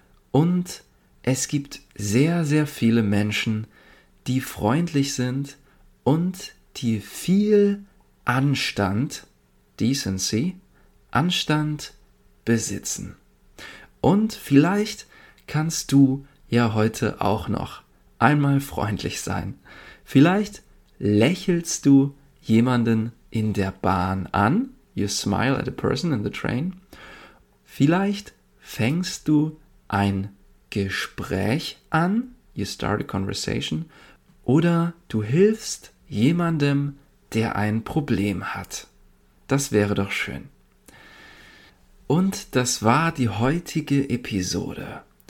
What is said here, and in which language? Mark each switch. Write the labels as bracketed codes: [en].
[de] Und es gibt sehr, sehr viele Menschen, die freundlich sind und die viel Anstand, Decency, Anstand besitzen. Und vielleicht kannst du ja heute auch noch einmal freundlich sein. Vielleicht lächelst du jemanden in der Bahn an. [en] You smile at a person in the train. [de] Vielleicht fängst du ein Gespräch an. [en] You start a conversation. [de] Oder du hilfst jemandem, der ein Problem hat. Das wäre doch schön. Und das war die heutige Episode.